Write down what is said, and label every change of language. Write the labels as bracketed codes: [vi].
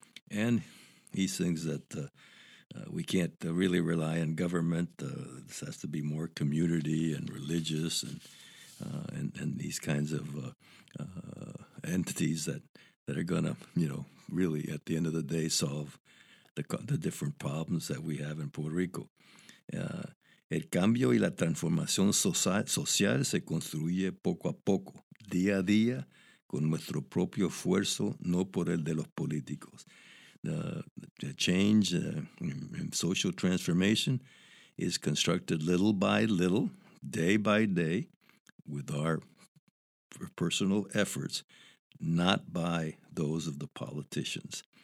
[en] And he thinks that we can't really rely on government. This has to be more community and religious and these kinds of entities that are going to, really at the end of the day solve the different problems that we have in Puerto Rico. [es] El cambio y la transformación social se construye poco a poco, día a día, con nuestro propio esfuerzo, no por el de los políticos. [en] The change in social transformation is constructed little by little, day by day, with our personal efforts, not by those of the politicians.